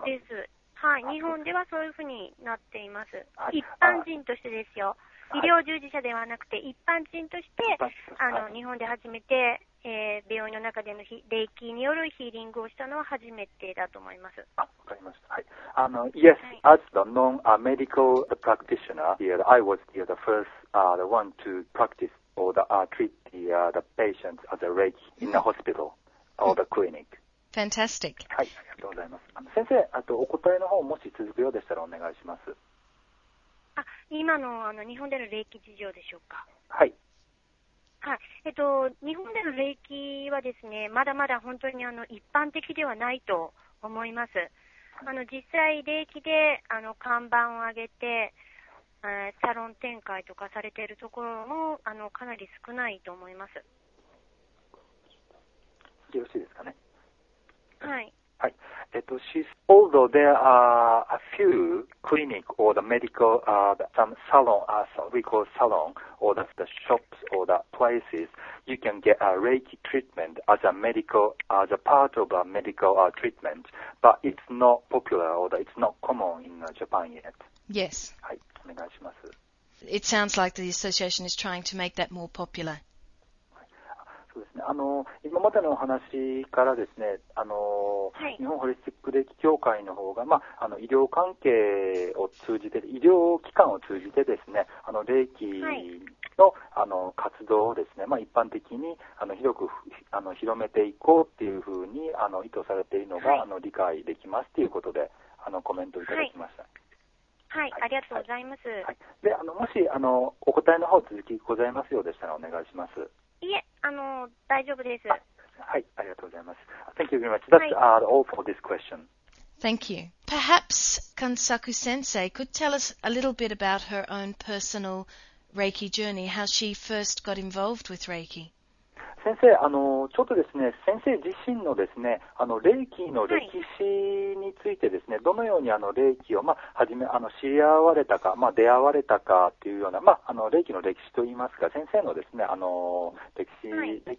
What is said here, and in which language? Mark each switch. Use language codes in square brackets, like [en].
[ja] そうです。はい、日本ではそういうふうになっています。はい、一般人としてですよ。医療従事者ではなくて、一般人として、はい、日本で初めて、病院の中での霊気によるヒーリングをしたのは初めてだと思います。あ、わかりました。はい。 [en] Yes,、はい、as the non-medical practitioner, here, I was here the first, the one to practice or the, treat the, the patients as a Reiki in the hospital or the clinic. Fantastic. [ja] はい、ありがとうございます。先生、あとお答えの方もし続くようでしたらお願いします。今 の, 日本での霊気事情でしょうか。はい、はい、日本での霊気はですね、まだまだ本当に一般的ではないと思います。実際霊気で看板を上げて、サロン展開とかされているところもかなり少ないと思います。よろしいですかね。はい、 [en] はい、although there are a few clinic or the medical, some salon, we call salon, or the shops or the places, you can get a Reiki treatment as a medical, as a part of a medical treatment, but it's not popular or it's not common in Japan yet. Yes. [ja] はい、お願いします。 [en] It sounds like the association is trying to make that more popular. [ja] そうですね、今までのお話からですね、はい、日本ホリスティック霊気協会の方が、まあ、医療関係を通じて、医療機関を通じてですね、霊気の、はい、活動をですね、まあ、一般的に広く広めていこうっていうふうに意図されているのが、はい、理解できますということでコメントいただきました。はいはい、ありがとうございます。はいはい、でもしお答えの方続きございますようでしたらお願いします。いえ、大丈夫です。はい、ありがとうございます。 [en] Thank you very much. That's、はい、all for this question. Thank you. Perhaps Kansaku Sensei could tell us a little bit about her own personal Reiki journey, how she first got involved with Reiki. [ja] 先生、ちょっとですね、先生自身のですね、Reiki の歴史についてですね、どのように Reiki を、まあ、始め、知り合われたか、まあ、出会われたかというような、まあ、Reiki の歴史といいますか、先生のですね、歴史、はい、